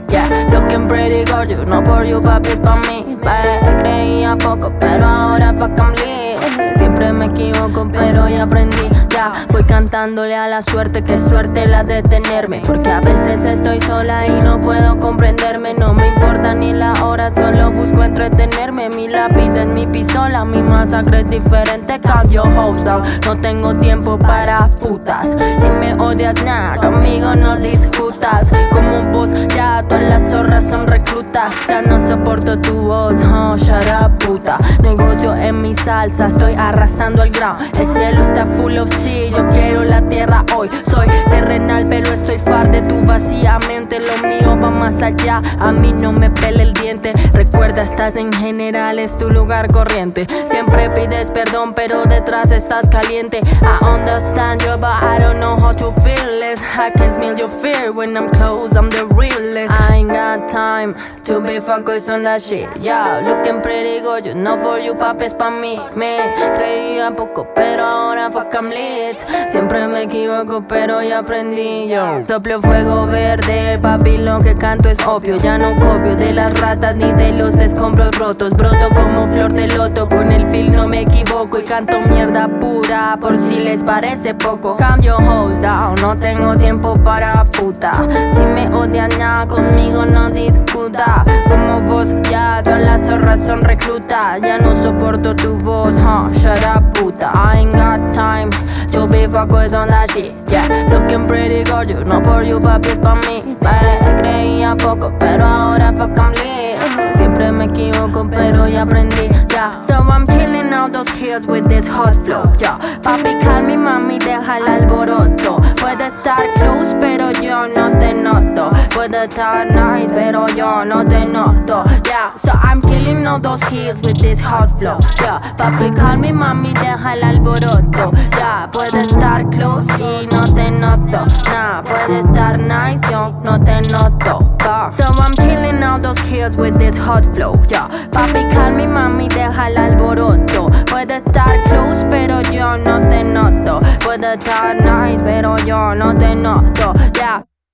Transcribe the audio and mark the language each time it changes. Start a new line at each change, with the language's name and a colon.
English: Yeah, looking pretty good, you know for you, papi, it's
Spanish: pa' mí. Creía poco, pero ahora
English: fuck, I'm lit.
Spanish: Siempre me equivoco, pero ya aprendí. Ya, voy cantándole a la suerte, qué suerte la de tenerme. Porque a veces estoy sola y no puedo comprenderme. No me importa ni la hora, solo busco entretenerme. Mi lápiz es mi pistola, mi masacre es diferente.
English: Call your hoes down,
Spanish: no tengo tiempo para putas. Si me odias, nah, conmigo no disputas. Como un boss, ya todas las zorras son reclutas. Ya no soporto tu voz, huh,
English: shut up,
Spanish: puta. Negocio en mi salsa, estoy arrasando el ground. El cielo está
English: full of shit,
Spanish: yo quiero la tierra hoy. Soy terrenal, pero estoy far de tu vacía mente. Lo mío va más allá, a mí no me pele el diente. Recuerda, estás en general, es tu lugar corriente. Siempre pides perdón, pero detrás estás caliente.
English: I understand you, but I don't know how to feel it. I can smell your fear when I'm close, I'm the realest. I ain't got time to be focused on that shit. Yeah, looking pretty good, you know for you, papi, it's
Spanish: pa' mí. Me creía poco, pero ahora
English: fuck, I'm lit.
Spanish: Siempre me equivoco, pero ya aprendí. Yo soplo fuego verde, papi, lo que canto es obvio. Ya no copio de las ratas ni de los escombros rotos. Broto como flor de loto, con el feel no me equivoco. Y canto mierda pura, por si les parece poco. Cambio,
English: hold down,
Spanish: no tengo tiempo para puta. Si me odian, nada conmigo no discuta. Como vos, ya todas las zorras son reclutas. Ya no soporto tu voz, huh,
English: shut up,
Spanish: puta.
English: I ain't got time to be focused on that shit. Yeah, looking pretty good, you know for you, papi, it's
Spanish: pa' mí. Creía poco, pero ahora
English: fuck, I'm lit.
Spanish: Siempre me equivoco, pero ya aprendí.
English: Yeah, so I'm killing all those kids with this hot flow.
Spanish: Yeah, papi,
English: call me,
Spanish: mami, deja el alboroto. Puede estar close, pero yo no te noto. Puede estar nice, pero yo no te noto.
English: Yeah, so I'm killing all those kids with this hot flow.
Spanish: Yeah, papi,
English: call me,
Spanish: mami, deja el alboroto. Yeah, puede estar close y no te noto. Nah, puede estar nice, yo no te noto.
English: So I'm killing all those kids with this hot flow.
Spanish: Yeah, papi,
English: call me,
Spanish: mami, deja el alboroto. Puede estar close, pero yo no te noto. Puede estar nice, pero yo no te noto. Yeah.